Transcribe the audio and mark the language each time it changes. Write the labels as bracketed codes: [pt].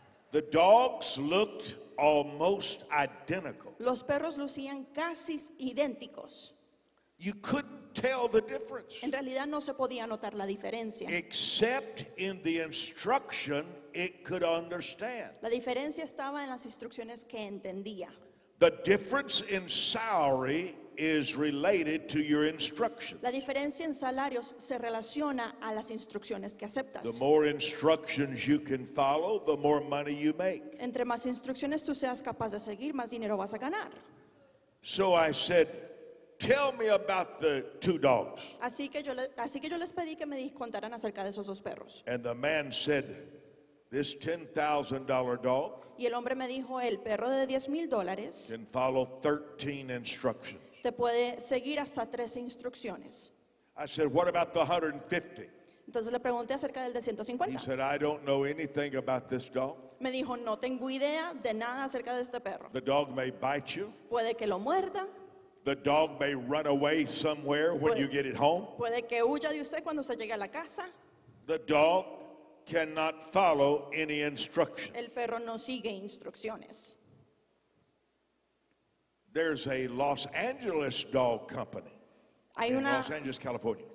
[en] The dogs looked almost identical. [es] Los perros lucían casi idénticos. [en] You couldn't tell the difference. [es] En realidad no se podía notar la diferencia. [en] Except in the instruction it could understand. [es] La diferencia estaba en las instrucciones que entendía. [en] The difference in salary is related to your instructions. [es] La diferencia en salarios se relaciona a las instrucciones que aceptas. [en] The more instructions you can follow, the more money you make. [es] Entre más instrucciones tú seas capaz de seguir, más dinero vas a ganar. [en] So I said, tell me about the two dogs. [es] Así que yo les pedí que me contaran acerca de esos dos perros. [en] And the man said, this $10,000 dog. [es] Y el hombre me dijo, el perro de $10,000. [en] Can follow 13 instructions. [es] Te puede seguir hasta 13 instrucciones. [en] I said, what about the 150? [es] Entonces le pregunté acerca del de 150. [en] He said, I don't know anything about this dog. [es] Me dijo, no tengo idea de nada acerca de este perro. [en] The dog may bite you. [es] Puede que lo muerda. [en] The dog may run away somewhere when you get it home. [es] Puede que huya de usted cuando usted llegue a la casa. [en] The dog cannot follow any instructions. [es] El perro no sigue instrucciones. [en] There's a Los Angeles dog company in Los Angeles, California.